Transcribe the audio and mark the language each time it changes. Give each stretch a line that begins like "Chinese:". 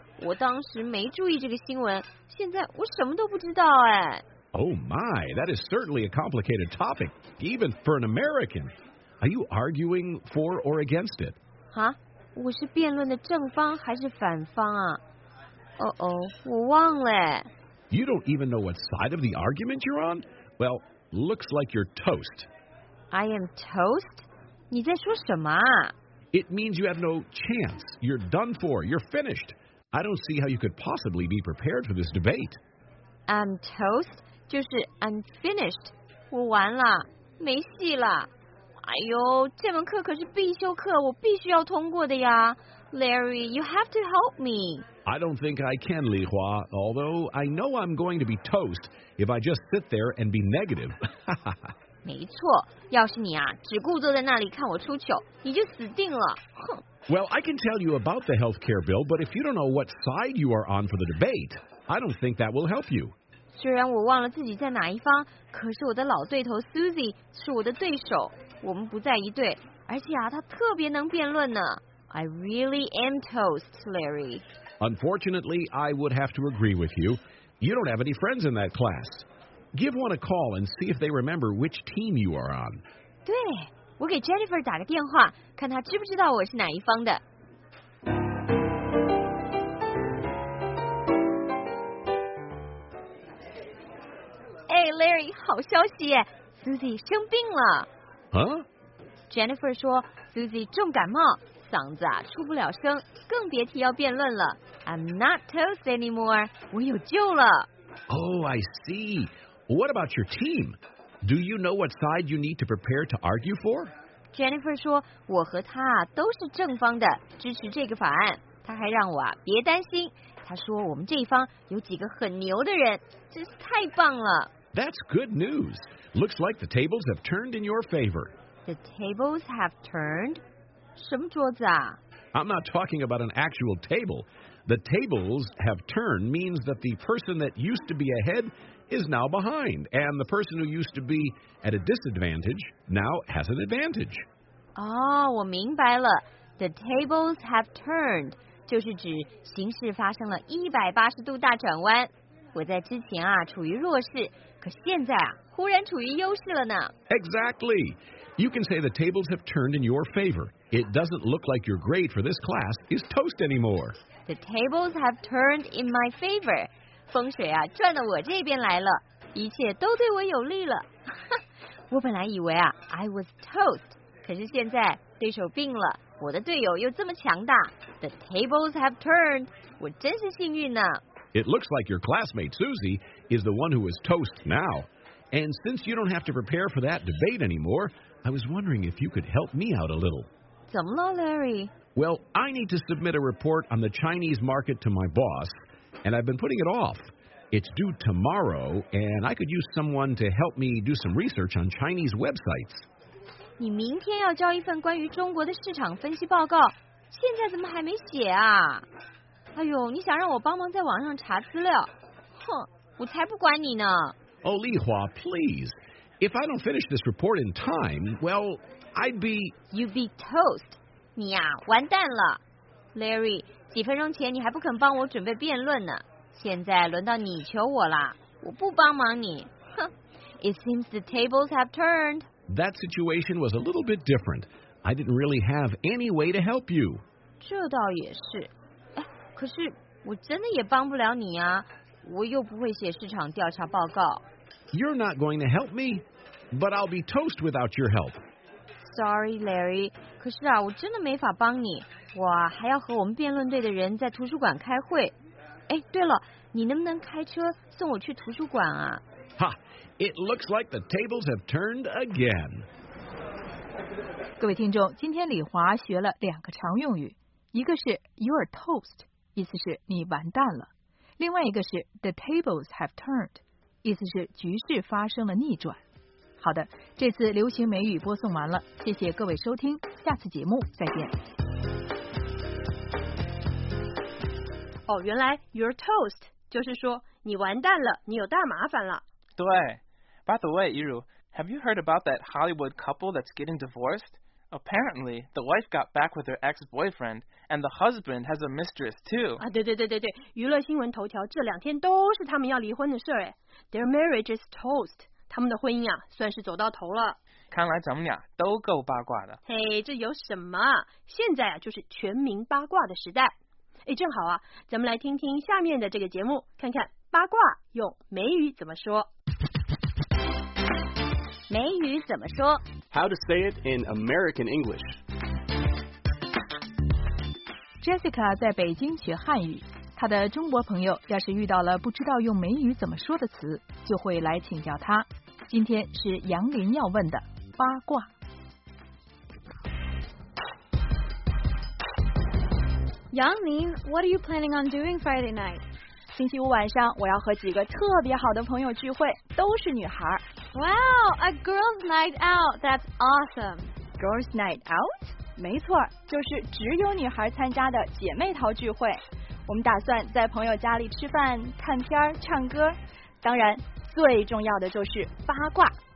Chinese: 我当时没注意这个新闻，现在我什么都不知道哎。
English: Oh my, that is certainly a complicated topic, even for an American. Are you arguing for or against it? Huh?
Chinese: 我是辩论的正方还是反方啊？我忘了。
English: You don't even know what side of the argument you're on? Well, looks like you're toast. I am toast?
Chinese: 你在说什么啊？
English: It means you have no chance. You're done for. You're finished. I don't see how you could possibly be prepared for this debate. I'm toast?
Chinese: 就是
English: I'm finished，
Chinese: 我完了，没戏了。哎呦，这门课可是必修课，我必须要通过的呀。
English: Larry， you have to help me. I don't think I can, Li Hua. Although I know I'm going to be toast if I just sit there and be negative.
Chinese: 没错，要是你啊，只顾坐在那里看我出糗，你就死定了。哼。
English: Well, I can tell you about the healthcare bill, but if you don't know what side you are on for the debate, I don't think that will help you.
Chinese: 虽然我忘了自己在哪一方，可是我的老对头 Susie 是我的对手，我们不在一队，而且啊，她特别能辩论呢。
English: I really am toast, Larry. Unfortunately, I would have to agree with you. You don't have any friends in that class. Give one a call and see if they remember which team you are on.
Chinese: 对，我给 Jennifer 打个电话，看她知不知道我是哪一方的。 Larry, 好消息 ！Susie 生病了。 Huh? Jennifer 说Susie 重感冒，嗓子啊出不了声，更别提要辩论了。
English: I'm not toast anymore.
Chinese: 我有救了。
English: Oh, I see. What about your team? Do you know what side you need to prepare to argue for?
Chinese: Jennifer 说，我和他啊都是正方的，支持这个法案。他还让我啊别担心。他说我们这一方有几个很牛的人，真是太棒了。
English: That's good news. Looks like the tables have turned in your favor. The tables have turned?
Chinese: 什么桌子啊？
English: I'm not talking about an actual table. The tables have turned means that the person that used to be ahead is now behind, and the person who used to be at a disadvantage now has an advantage.
Chinese: 哦，我明白了。
English: The tables have turned.
Chinese: 就是指形势发生了180度大转弯。我在之前啊处于弱势，可现在啊忽然处于优势了呢。
English: Exactly. You can say the tables have turned in your favor. It doesn't look like your grade for this class is toast anymore. The tables have turned in my favor.
Chinese: 风水啊转到我这边来了，一切都对我有利了。我本来以为啊
English: I was toast，
Chinese: 可是现在对手病了。我的队友又这么强大 ，
English: The tables have turned，
Chinese: 我真是幸运呢。
English: It looks like your classmate Susie is the one who is toast now. And since you don't have to prepare for that debate anymore, I was wondering if you could help me out a little.
Chinese: 怎么了 ，Larry？
English: Well, I need to submit a report on the Chinese market to my boss, and I've been putting it off. It's due tomorrow, and I could use someone to help me do some research on Chinese websites.
Chinese: 你明天要交一份关于中国的市场分析报告，现在怎么还没写啊？哎呦，你想让我帮忙在网上查资料？哼，我才不管你呢。
English: Oh, Li Hua, please. If I don't finish this report in time, well, I'd be... You'd be toast.
Chinese: 你呀，完蛋了。 Larry, 几分钟前你还不肯帮我准备辩论呢，现在轮到你求我了，我不帮忙你。
English: 哼 ，It seems the tables have turned. That situation was a little bit different. I didn't really have any way to help you.
Chinese: 这倒也是。哎，可是我真的也帮不了你啊，我又不会写市场调查报告。
English: You're not going to help me, but I'll be toast without your help. Sorry, Larry.
Chinese: 可是啊，我真的没法帮你。我啊，还要和我们辩论队的人在图书馆开会。哎，对了，你能不能开车送我去图书馆啊？哈。
English: It looks like the tables have turned again.
Chinese: 各位听众，今天李华学了两个常用语，一个是
English: you're toast，
Chinese: 意思是你完蛋了；另外一个是
English: the tables have turned，
Chinese: 意思是局势发生了逆转。好的，这次流行美语播送完了，谢谢各位收听，下次节目再见。哦，原来
English: you're toast
Chinese: 就是说你完蛋了，你有大麻烦了。
English: 对 ，By the way, Iru, have you heard about that Hollywood couple that's getting divorced? Apparently, the wife got back with her ex-boyfriend, and the husband has a mistress too.
Chinese: 啊，对对对对对，娱乐新闻头条这两天都是他们要离婚的事儿哎。
English: Their marriage is toast.
Chinese: 他们的婚姻啊，算是走到头了。看来咱们俩都够八卦的。嘿，这有什么？现在啊，就是全民八卦的时代。哎，正好啊，咱们来听听下面的这个节目，看看。八卦用美语怎么说？美语怎么说
English: ？How to say it in American English?
Chinese: Jessica 在北京学汉语，她的中国朋友要是遇到了不知道用美语怎么说的词，就会来请教她。今天是杨林要问的八卦。
English: 杨林 ，What are you planning on doing Friday night?
Chinese: 星期五晚上我要和几个特别好的朋友聚会，都是女孩。
English: Wow, a girl's night out, that's awesome. Girl's night out?
Chinese: 没错，就是只有女孩参加的姐妹淘聚会。我们打算在朋友家里吃饭、看片、唱歌，当然最重要的就是八卦。